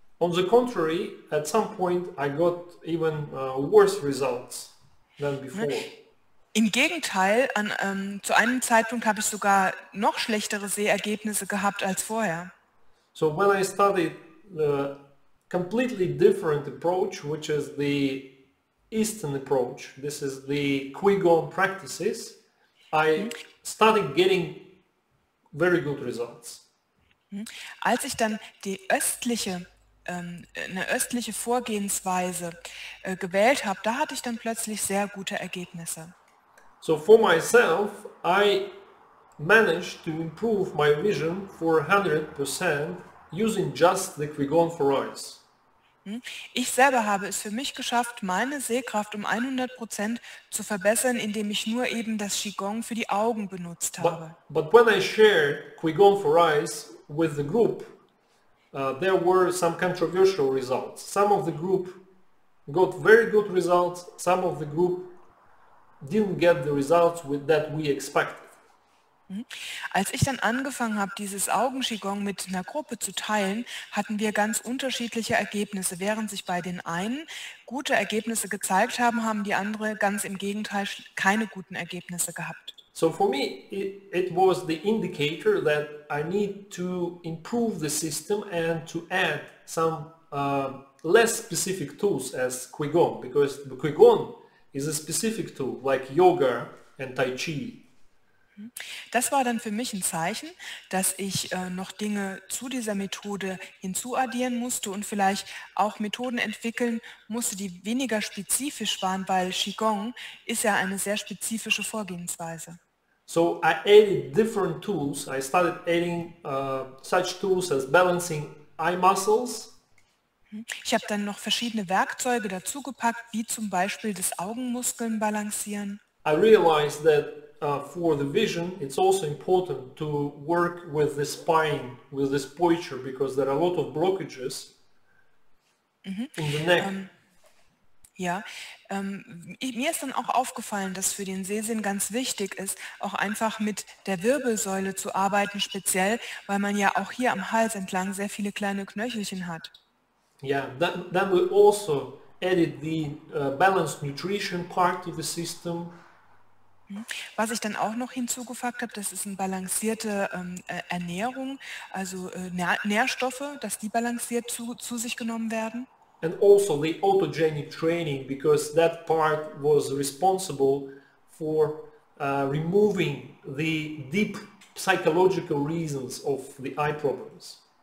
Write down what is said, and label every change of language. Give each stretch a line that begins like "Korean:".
English: On the contrary, at some point I got even worse results than before.
German: Im Gegenteil, zu einem Zeitpunkt habe ich sogar noch schlechtere Sehergebnisse gehabt als vorher.
English: So when I studied the completely different approach, which is the Eastern approach, this is the Qigong practices, I started getting very good results.
German: Als ich dann die östliche eine östliche Vorgehensweise gewählt habe, da hatte ich dann plötzlich sehr gute Ergebnisse.
English: So for myself, I managed to improve my vision for 100% using just the Qigong for eyes.
German: Ich selber habe es für mich geschafft, meine Sehkraft um 100% zu verbessern, indem ich nur eben das Qigong für die Augen benutzt habe.
English: But when I shared Qigong for eyes with the group, there were some controversial results. Some of the group got very good results, some of the group didn't get the results that we expected.
German: Als ich dann angefangen habe, dieses Augen-Qigong mit einer Gruppe zu teilen, hatten wir ganz unterschiedliche Ergebnisse. Während sich bei den einen gute Ergebnisse gezeigt haben, haben die anderen ganz im Gegenteil keine guten Ergebnisse gehabt.
English: So for me it was the indicator that I need to improve the system and to add some less specific tools as Qigong, because the Qigong is a specific tool like yoga and tai chi.
German: Das war dann für mich ein Zeichen, dass ich noch Dinge zu dieser Methode hinzuaddieren musste und vielleicht auch Methoden entwickeln musste, die weniger spezifisch waren, weil Qigong ist ja eine sehr spezifische Vorgehensweise.
English: So I added different tools. I started adding such tools as balancing eye muscles.
German: Ich habe dann noch verschiedene Werkzeuge dazu gepackt, wie zum Beispiel das Augenmuskeln balancieren.
English: I realized that for the vision, it's also important to work with the spine, with this posture, because there are a lot of blockages in the neck.
German: Mir ist dann auch aufgefallen, dass für den Sehsinn ganz wichtig ist, auch einfach mit der Wirbelsäule zu arbeiten, speziell, weil man ja auch hier am Hals entlang sehr viele kleine Knöchelchen hat.
English: Then we also added the balanced nutrition part to the system.
German: Was ich dann auch noch hinzugefügt habe, das ist eine balancierte Ernährung, also Nährstoffe, dass die balanciert zu sich genommen werden.
English: And also the autogenic training, because that part was responsible for removing the deep psychological reasons of the eye problems.